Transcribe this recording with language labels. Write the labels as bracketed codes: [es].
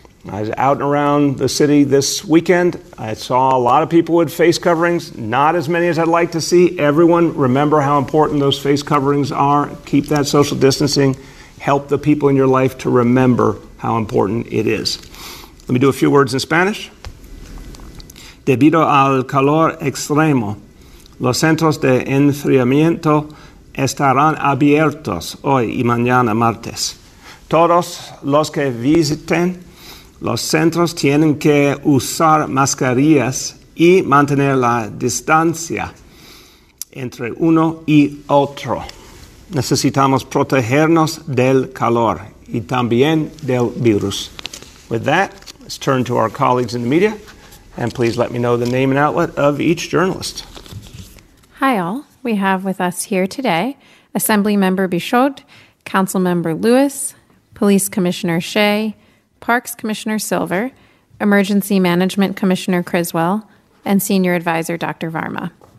[en] I was out and around the city this weekend. I saw a lot of people with face coverings, not as many as I'd like to see. Everyone, remember how important those face coverings are. Keep that social distancing. Help the people in your life to remember how important it is. Let me do a few words in Spanish. [es] Debido al calor extremo, los centros de enfriamiento estarán abiertos hoy y mañana martes. Todos los que visiten los centros tienen que usar mascarillas y mantener la distancia entre uno y otro. Necesitamos protegernos del calor y también del virus. [en] With that, let's turn to our colleagues in the media, and please let me know the name and outlet of each journalist. Hi, all. We have with us here today Assemblymember Bichot, Councilmember Lewis, Police Commissioner Shea, Parks Commissioner Silver, Emergency Management Commissioner Criswell, and Senior Advisor Dr. Varma.